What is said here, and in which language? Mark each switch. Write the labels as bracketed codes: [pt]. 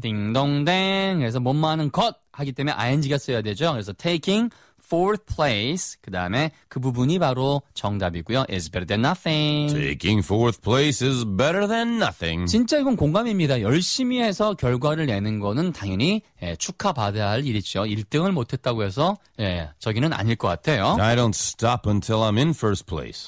[ko] 딩동댕. 그래서 뭐뭐하는 것 하기 때문에 ing가 써야 되죠. 그래서 [en] taking fourth place, [ko] 그 다음에 그 부분이 바로 정답이고요. [en] Is better than nothing. Taking fourth place is better than nothing. [ko] 진짜 이건 공감입니다. 열심히 해서 결과를 내는 거는 당연히 예, 축하받아야 할 일이죠. 1등을 못했다고 해서 예, 저기는 아닐 것 같아요. [en] I don't stop until I'm in first place.